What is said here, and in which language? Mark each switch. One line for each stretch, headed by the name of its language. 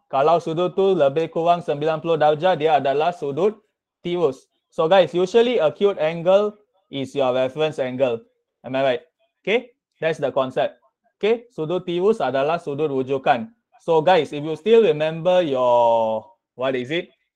Malay: Kalau sudut tu lebih kurang 90 darjah, dia adalah sudut tirus.
English: So guys, usually acute angle is your reference angle. Am I right? Okay, that's the concept.
Malay: Okay, sudut tirus adalah sudut rujukan.
English: So guys, if you still remember your, what is it?